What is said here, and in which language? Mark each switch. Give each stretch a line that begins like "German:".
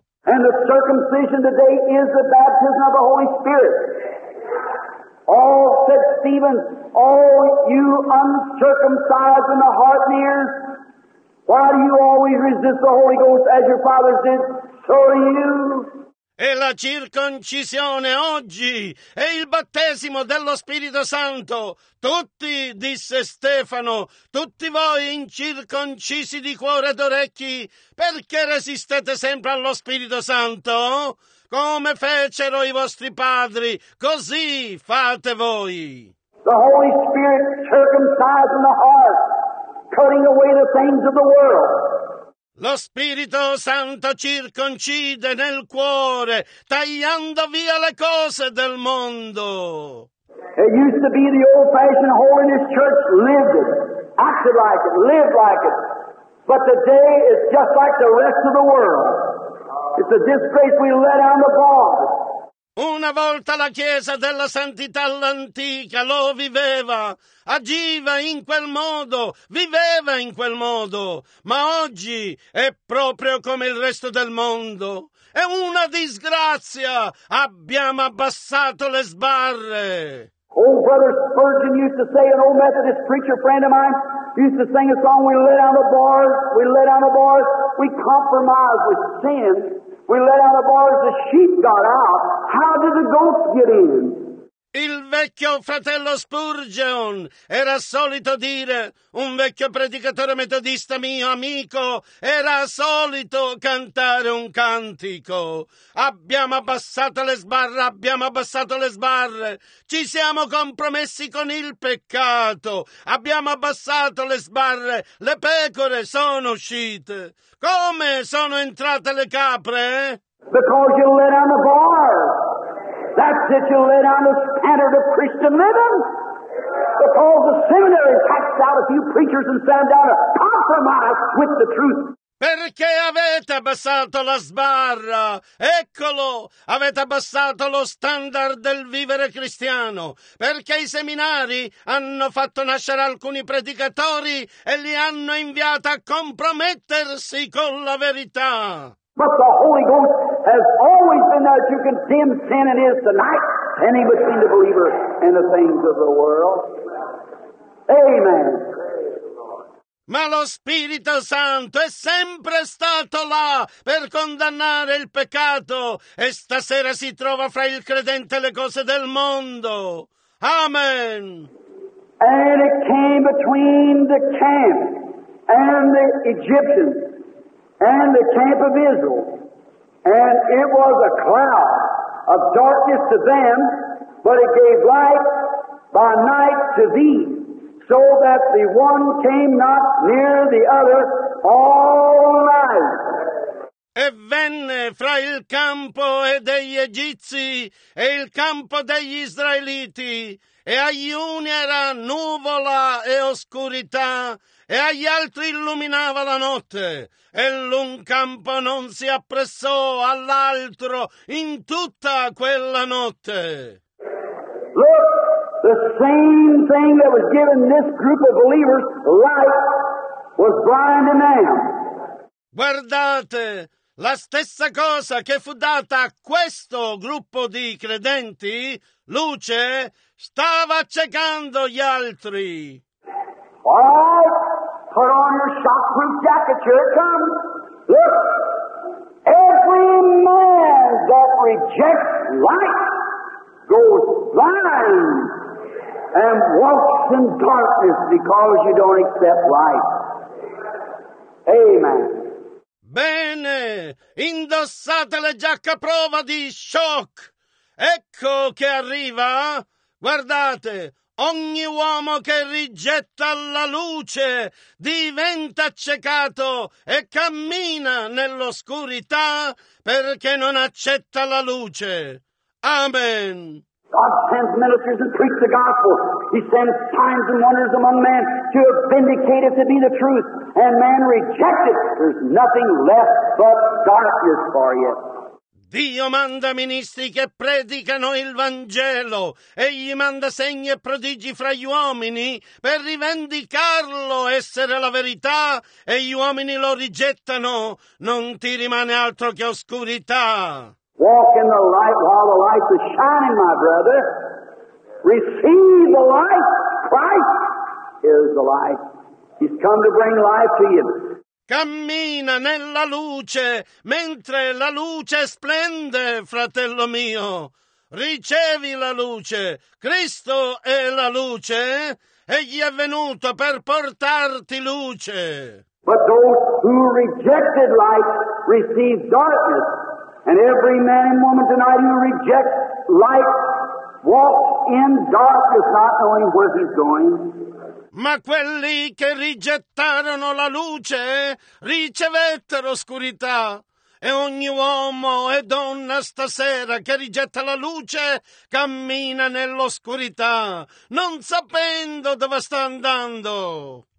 English: And the circumcision today is the baptism of the Holy Spirit. All, said Stephen, all you uncircumcised in the heart and ears, why do you always resist the Holy Ghost as your fathers did? So do you.
Italian: E la circoncisione oggi è il battesimo dello Spirito Santo. Tutti, disse Stefano, tutti voi incirconcisi di cuore ed orecchi, perché resistete sempre allo Spirito Santo? Come fecero i vostri padri, così fate voi.
English: The Holy Spirit circumcised in the heart, cutting away the things of the world.
Italian: Lo Spirito Santo circoncide nel cuore, tagliando via le cose del mondo.
English: It used to be the old-fashioned holiness church lived it, acted like it, lived like it. But today it's just like the rest of the world. It's a disgrace we let on the ball.
Italian: Una volta la Chiesa della Santità all'antica lo viveva, agiva in quel modo, viveva in quel modo, ma oggi è proprio come il resto del mondo. È una disgrazia! Abbiamo abbassato le sbarre!
English: Old Brother Spurgeon used to say, an old Methodist preacher friend of mine, used to sing a song, we let down the bars, we let down the bars, we compromise with sin. We let out the bars, the sheep got out. How did the goats get in?
Italian: Il vecchio fratello Spurgeon era solito dire, un vecchio predicatore metodista mio amico, era solito cantare un cantico. Abbiamo abbassato le sbarre, abbiamo abbassato le sbarre. Ci siamo compromessi con il peccato. Abbiamo abbassato le sbarre, le pecore sono uscite. Come sono entrate le capre?
English: Because you let on the bar. That's it, you lay down the standard of Christian living. Because the seminary taxed out a few preachers and sent down a compromise with the truth.
Italian: Perché avete abbassato la sbarra? Eccolo, avete abbassato lo standard del vivere cristiano. Perché i seminari hanno fatto nascere alcuni predicatori e li hanno inviati a compromettersi con la verità.
English: But the Holy Ghost has always been there to condemn sin and is tonight, any between the believer and the things of the world. Amen.
Italian: Ma lo Spirito Santo è sempre stato là per condannare il peccato e stasera si trova fra il credente e le cose del mondo. Amen.
English: And it came between the camp and the Egyptians and the camp of Israel. And it was a cloud of darkness to them, but it gave light by night to thee, so that the one came not near the other all night.
Italian: E venne fra il campo e degli Egizi e il campo degli Israeliti, e agli uni era nuvola e oscurità, e agli altri illuminava la notte, e l'un campo non si appressò all'altro in tutta quella notte.
English: Look, the same thing that was given this group of believers, light, was blind to them.
Italian: Guardate, la stessa cosa che fu data a questo gruppo di credenti, luce, stava accecando gli altri.
English: What? Put on your shockproof jacket, here it comes. Look, every man that rejects light goes blind and walks in darkness because you don't accept light. Amen.
Italian: Bene, indossate le giacche a prova di shock. Ecco che arriva. Guardate, ogni uomo che rigetta la luce diventa accecato e cammina nell'oscurità perché non accetta la luce. Amen.
English: God sends ministers and preach the gospel. He sends signs and wonders among men to vindicate it to be the truth. And man rejects it. There's nothing left but darkness for you.
Italian: Dio manda ministri che predicano il Vangelo. Egli manda segni e prodigi fra gli uomini per rivendicarlo essere la verità. E gli uomini lo rigettano. Non ti rimane altro che oscurità.
English: Walk in the light while the light is shining, my brother. Receive the light. Christ is the light. He's come to bring life to you.
Italian: Cammina nella luce, mentre la luce splende, fratello mio. Ricevi la luce. Cristo è la luce. Egli è venuto per portarti luce.
English: But those who rejected light receive darkness. And every man and woman tonight who rejects light walks in darkness, not knowing where he's going.
Italian: Ma quelli che rigettarono la luce ricevettero oscurità. E ogni uomo e donna stasera che rigetta la luce cammina nell'oscurità, non sapendo dove sta andando.